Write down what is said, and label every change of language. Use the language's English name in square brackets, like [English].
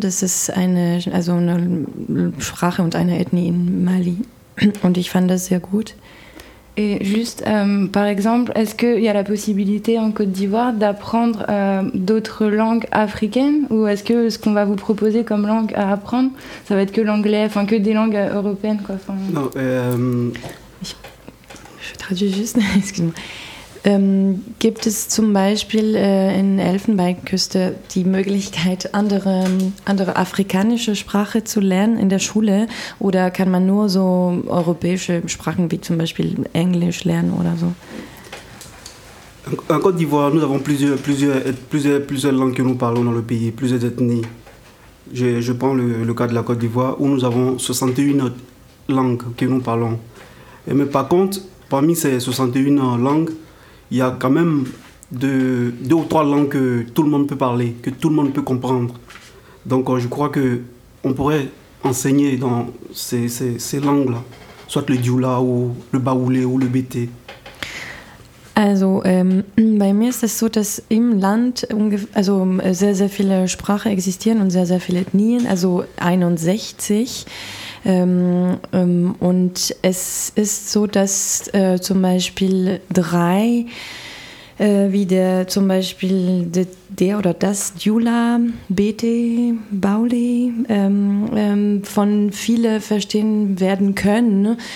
[German] Das ist eine Sprache und eine Ethnie in Mali und ich fand das sehr gut. [French] Et juste, par exemple, est-ce qu'il y a la possibilité en Côte d'Ivoire d'apprendre d'autres langues africaines ou est-ce que ce qu'on va vous proposer comme langue à apprendre, ça va être que l'anglais, enfin que des langues européennes quoi, Non, je traduis juste, excuse-moi. [German] Gibt es zum Beispiel in Elfenbeinküste die Möglichkeit, andere afrikanische Sprache zu lernen in der Schule? Oder kann man nur so europäische Sprachen wie zum Beispiel Englisch lernen oder so? [French] En Côte d'Ivoire, nous avons plusieurs langues que nous parlons dans le pays, plusieurs ethnies. Je prends le cas de la Côte d'Ivoire, où nous avons 61 langues que nous parlons. Et mais par contre, parmi ces 61 langues, il y a quand même deux ou trois langues que tout le monde peut parler, que tout le monde peut comprendre. Donc je crois qu'on pourrait enseigner dans ces langues-là, soit le Dioula ou le Baoulé ou le Bété. [German] Also bei mir ist es so, dass im Land also sehr, sehr viele Sprachen existieren und sehr, sehr viele Ethnien, also 61. Und es ist so, dass zum Beispiel drei, wie der zum Beispiel der oder das Dioula, Bété, Baoulé, von vielen verstehen werden können.